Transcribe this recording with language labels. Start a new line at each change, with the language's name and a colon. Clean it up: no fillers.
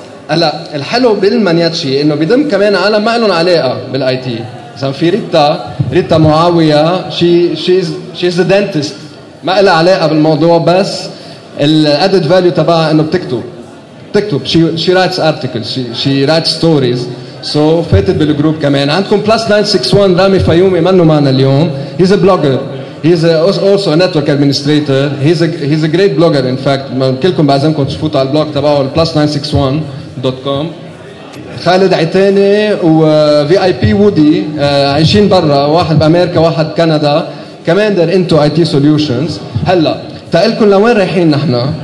Arabic: هلا الحلو بالمانياتشي انه بيضم كمان عالم ما لهم علاقه بالاي تي. مثلا في ريتا معاويه,
English: she's a dentist,
Arabic: ما لها علاقه بالموضوع, بس الادد فاليو تبعها انه بتكتب.
English: She writes articles, she writes stories. So
Arabic: فاتت بالجروب كمان. عندكم بلس 961 رامي فيومي, منه معنا اليوم.
English: He's a blogger. He's also a network administrator. He's a great blogger, in fact.
Arabic: كلكم بعزمكم تفوتوا على البلوج تبعه plus961.com. خالد عتاني وفي اي بي وودي عايشين برا, واحد بامريكا واحد كندا, كمان
English: they're into IT solutions.
Arabic: هلا تقلكم لوين رايحين نحن.